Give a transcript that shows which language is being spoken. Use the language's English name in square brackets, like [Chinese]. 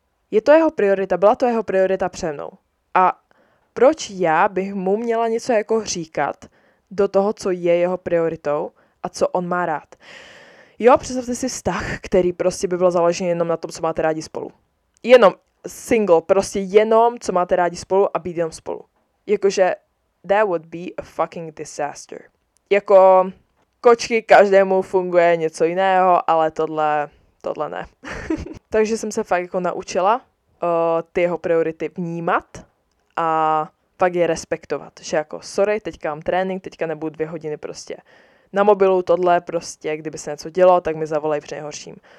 [Czech] Je to jeho priorita, byla to jeho priorita přede mnou. A proč já bych mu měla něco jako říkat do toho, co je jeho prioritou a co on má rád? Jo, představte si vztah, který prostě by byl založen jenom na tom, co máte rádi spolu. Jenom single, prostě jenom, co máte rádi spolu a být jenom spolu. [English] Jakože that would be a fucking disaster. [Czech] Jako kočky, každému funguje něco jiného, ale tohle ne. Takže jsem se fakt jako naučila ty jeho priority vnímat a fakt je respektovat. Že jako, sorry, teďka mám trénink, teďka nebudu 2 hodiny prostě na mobilu, tohle prostě, kdyby se něco dělo, tak mi zavolej při nejhorším.